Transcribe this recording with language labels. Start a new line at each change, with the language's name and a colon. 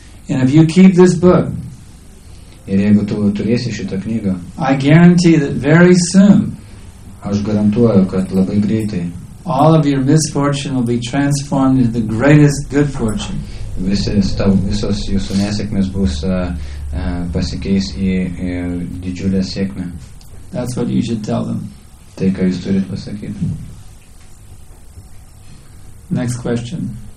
English: And if you keep this book,
Lithuanian: ir jeigu tu turėsi šitą knygą,
English: I guarantee that very soon,
Lithuanian: aš garantuoju, kad labai greitai,
English: all of your misfortune will be transformed into the greatest good fortune.
Lithuanian: Visos jūsų nesėkmės bus pasikeis į didžiulę sėkmę.
English: That's what you should tell them.
Lithuanian: Tai, ką jūs turit pasakyti.
English: Next question.